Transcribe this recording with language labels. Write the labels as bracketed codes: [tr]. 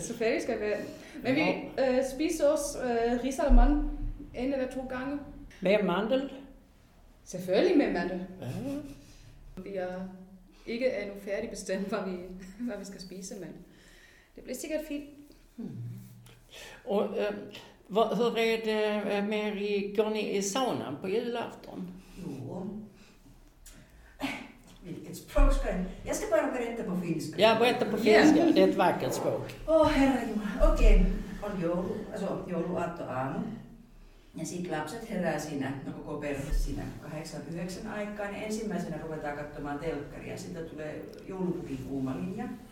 [da] Selvfølgelig skal det være. Men vi spiser også risalamand en eller to gange. Med mandel? Selvfølgelig med mandel. Vi er ikke endnu færdig bestemt, hvad vi skal spise, men det bliver sikkert fint. [sv] Och hur är det med i går ni i saunan på julafton? Jo. Vilket språk ska jag? Jag ska bara berätta på finska. Ja, berätta på finska. Det är ett vackert språk. Åh, herregud. Okej. Och jul, alltså jul och aftonen. [fi] Ja sitten lapset herää siinä, no koko perhe siinä 8-9 aikaa, niin ensimmäisenä ruvetaan katsomaan telkkaria. Sitten tulee joulupukin kuuma linja.